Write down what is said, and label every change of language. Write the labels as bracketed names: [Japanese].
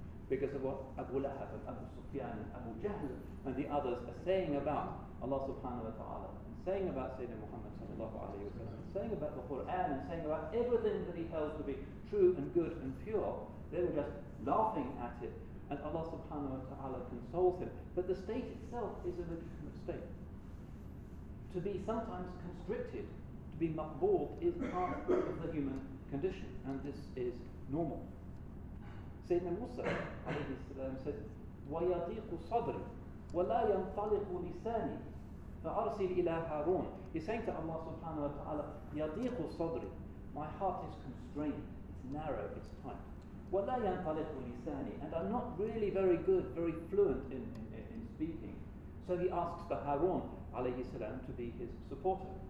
[English] Because of what Abu Lahab and Abu Sufyan and Abu Jahl and the others are saying about Allah subhanahu wa ta'ala, and saying about Sayyidina Muhammad sallallahu alayhi wa sallam, and saying about the Qur'an, and saying about everything that he held to be true and good and pure, they were just laughing at it, and Allah subhanahu wa ta'ala consoles him. But the state itself is a legitimate state. To be sometimes constricted, to be maqbool, is part of the human condition, and this is normal. Sayyidina Musa alayhi salam says, [Arabic] وَيَضِيقُ صَدْرِ وَلَا يَنْطَلِقُ لِسَانِي فَأَرْسِلْ إِلَىٰ هَارُونَ. [English] He's saying to Allah subhanahu wa ta'ala, [Arabic] يَضِيقُ صَدْرِ, [English] my heart is constrained, it's narrow, it's tight. [Arabic] وَلَا يَنْطَلِقُ لِسَانِي, [English] and I'm not really very good, very fluent in speaking. So he asks for Harun alayhi salam to be his supporter.